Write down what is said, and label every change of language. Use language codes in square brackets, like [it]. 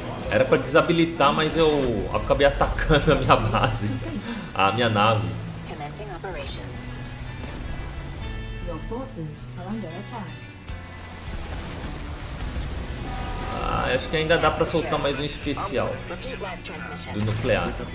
[pt] Era pra desabilitar, mas eu acabei atacando a minha base. A minha nave. [en] Commencing operations. Your forces are under attack. [pt] Ah, acho que ainda dá pra soltar mais um especial do nuclear.